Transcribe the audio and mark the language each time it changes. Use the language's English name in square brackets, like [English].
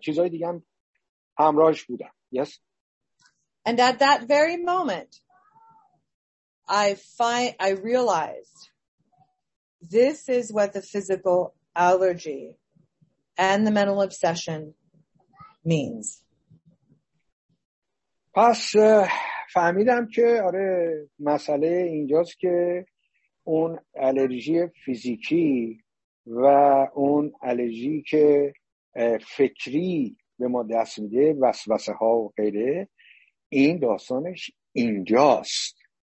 [Persian] چیزای دیگه هم همراهش بودن. [English] Yes. And at that very moment I realized this is what the physical allergy and the mental obsession means. [Persian] پس فهمیدم که آره مسئله اینجاست که اون آلرژی فیزیکی و اون آلرژی که فکری به ما دست میده، وسوسه ها و غیره، این داستانش اینجاست.